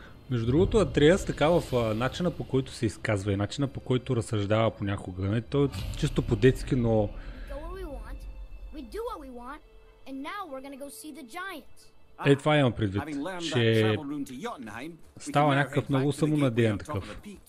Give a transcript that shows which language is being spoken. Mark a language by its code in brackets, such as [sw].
[bg] Между другото, Атриас така в начина по който се изказва и начина по който разсъждава понякога. Не, той е чисто по-детски, но... [en] Go where we want. We do what we want. And now we're gonna go see the giants. [bg] Е, това имам предвид, че става някакъв много самонадеян такъв.